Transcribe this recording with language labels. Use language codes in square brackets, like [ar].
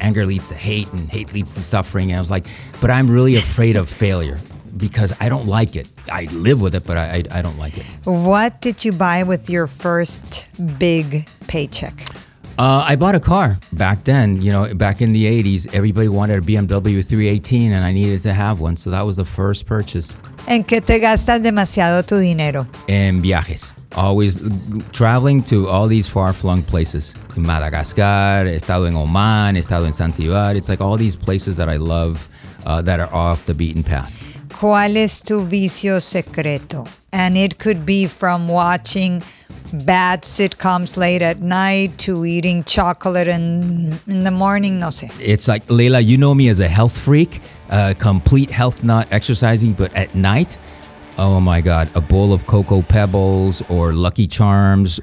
[en] Anger leads to hate, and hate leads to suffering. And I was like, but I'm really afraid of failure because I don't like it. I live with it, but I don't like it. What did you buy with your first big paycheck? I bought a car back then, you know, back in the 80s. Everybody wanted a BMW 318 and I needed to have one. So that was the first purchase. [es] ¿En qué te gastas demasiado tu dinero? [en] En viajes. Always traveling to all these far-flung places. [es] In Madagascar, he estado en Oman, he estado en Zanzibar. [en] It's like all these places that I love that are off the beaten path. [es] ¿Cuál es tu vicio secreto? [en] And it could be from watching bad sitcoms late at night to eating chocolate in the morning, no sé. It's like, Leila, you know me as a health freak. Complete health nut, exercising, but at night, oh my God, a bowl of Cocoa Pebbles or Lucky Charms.